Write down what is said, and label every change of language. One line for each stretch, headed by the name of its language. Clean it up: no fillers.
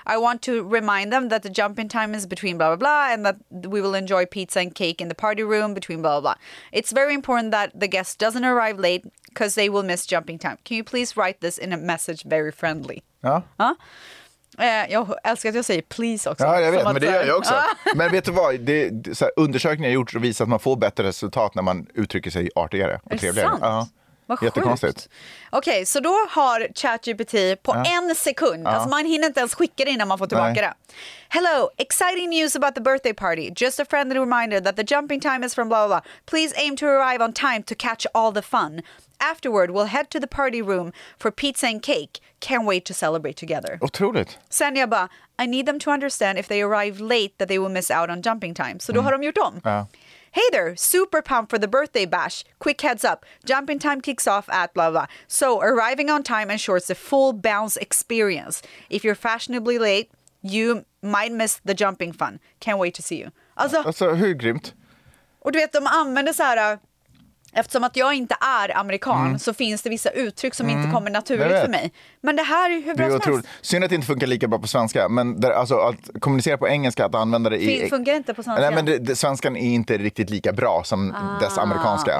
English: I want to remind them that the jump-in time is between blah, blah, blah, and that we will enjoy pizza and cake in the party room between blah, blah, blah. It's very important that the guest doesn't arrive late because they will miss jumping time. Can you please write this in a message very friendly?
Swedish: Ja. Jag älskar att jag säger please också. Ja, jag vet, men det gör jag också. Men vet du vad? Undersökningar gjort visar att man får bättre resultat när man uttrycker sig artigare och trevligare. Sant? Jättekonstigt. Okej, så då har ChatGPT på en sekund. Ja. Alltså man hinner inte ens skicka det innan man får tillbaka det.
English: Hello, exciting news about the birthday party. Just a friendly reminder that the jumping time is from blah, blah, blah. Please aim to arrive on time to catch all the fun. Afterward, we'll head to the party room for pizza and cake. Can't wait to celebrate together.
Swedish: Otroligt. Sen jag bara,
English: I need them to understand if they arrive late that they will miss out on jumping time.
Swedish: Så då har de gjort om. Ja.
English: Hey there, super pumped for the birthday bash. Quick heads up, jumping time kicks off at blah blah. So arriving on time ensures a full bounce experience. If you're fashionably late, you might miss the jumping fun. Can't wait to see you.
Swedish: Alltså hur grymt. Och du vet, de använder så här eftersom att jag inte är amerikan, så finns det vissa uttryck som inte kommer naturligt för mig. Men det här är hur bra som helst. Synd att det inte funkar lika bra på svenska. Men där, alltså, att kommunicera på engelska, att använda det funkar inte på svenska. Nej, men svenskan är inte riktigt lika bra som dess amerikanska.